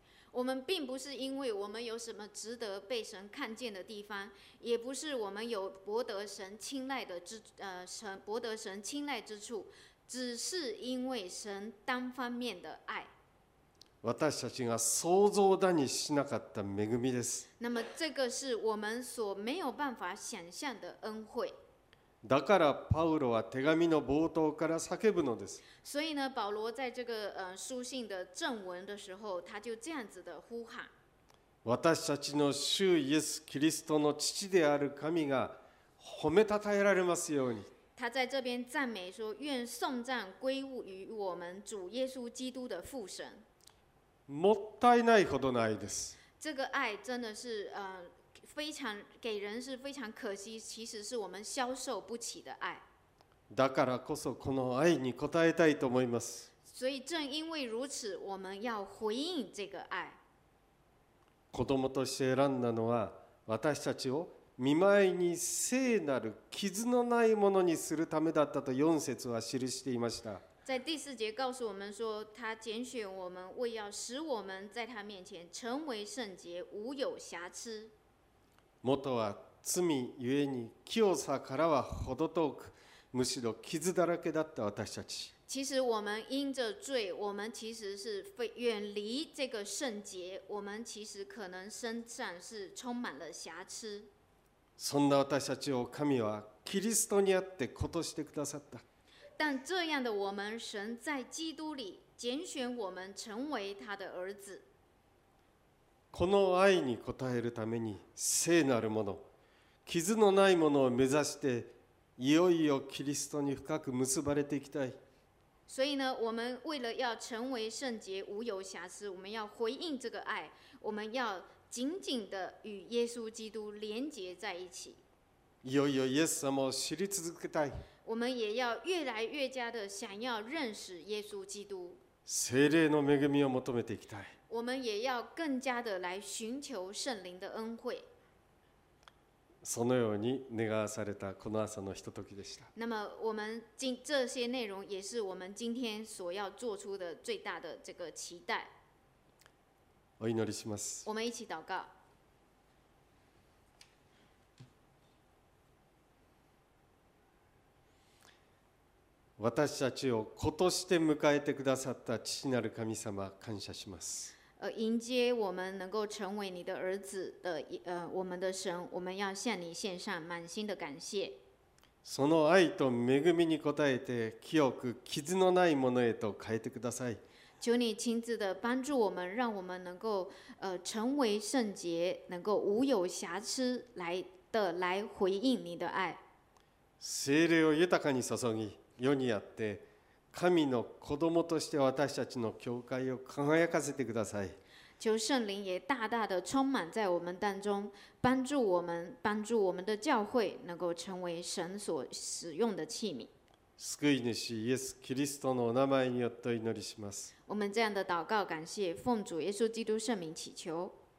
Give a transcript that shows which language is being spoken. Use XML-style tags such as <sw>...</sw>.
<zh>我们并不是因为我们有什么值得被神看见的地方，也不是我们有博得神青睐的博得神青睐之处，只是因为神单方面的爱。</zh> <ja>私たちが想像だにしなかった恵みです。</ja> <zh>那么这个是我们所没有办法想象的恩惠。</zh> <ja>だからパウロは手紙の冒頭から叫ぶのです。</ja> <zh>所以呢，保罗在这个书信的正文的时候，他就这样子的呼喊。</zh> <ja>私たちの主イエス・キリストの父である神が褒めたたえられますように。</ja> <zh>他在这边赞美说：“愿颂赞归于我们主耶稣基督的父神。”</zh> <ja>もったいないほどの愛です。</ja> <zh>这个爱真的是非常给人是非常可惜，其实是我们消受不起的爱。</zh> <ja>だからこそこの愛に応えたいと思います。</ja> <zh>所以正因为如此，我们要回应这个爱。</zh> <ja>子供として選んだのは私たちを見舞いに聖なる傷のないものにするためだったと4節は記していました。</ja> <zh>在第四节告诉我们说，他拣选我们，为要使我们在他面前成为圣洁，无有瑕疵。</zh> <ja>元は罪ゆえに清さからはほど遠く、むしろ傷だらけだった私たち。</ja> <zh>其实我们因着罪，我们其实是远离这个圣洁，我们其实可能身上是充满了瑕疵。</zh> <ja>そんな私たちを神はキリストにあってことしてくださった。</ja> <zh>但这样的我们，神在基督里拣选我们成为他的儿子。</zh> <ja>この愛に応えるために聖なるもの、傷のないものを目指して、いよいよキリストに深く結ばれていきたい。</ja> <zh>所以呢，我们为了要成为圣洁、无有瑕疵，我们要回应这个爱，我们要紧紧的与耶稣基督连接在一起。</zh> <ja>いよいよイエス様を知り続けたい。</ja> <zh>我们也要越来越加的想要认识耶稣基督。</zh> <ja>聖霊の恵みを求めていきたい。</ja> <zh>我们也要更加的来寻求圣灵的恩惠。</zh> <ja>そのように願わされたこの朝のひとときでした。</ja> <zh>那么我们这些内容也是我们今天所要做出的最大的这个期待。</zh> <ja>お祈りします。</ja> <zh>我们一起祷告。</zh> <ja>私たちを子として迎えてくださった父なる神様、感謝します。</ja> <zh>迎接我们能够成为你的儿子的我们的神，我们要向你献上满心的感谢。</zh> <ja>その愛と恵みに応えて、清く傷のないものへと変えてください。</ja> <zh>求你亲自的帮助我们，让我们能够成为圣洁，能够无有瑕疵来回应你的爱。</zh> <ja>聖霊を豊かに注ぎ、世にあって神の子供として私たちの教会を輝かせてください。</ja> <zh>求圣灵也大大的充满在我们当中，帮助我们，帮助我们的教会能够成为神所使用的器皿。</zh> <ja>救い主イエス・キリストのお名前によってお祈りします。</ja> <zh>我们这样的祷告感谢，奉主耶稣基督圣名祈求。</zh>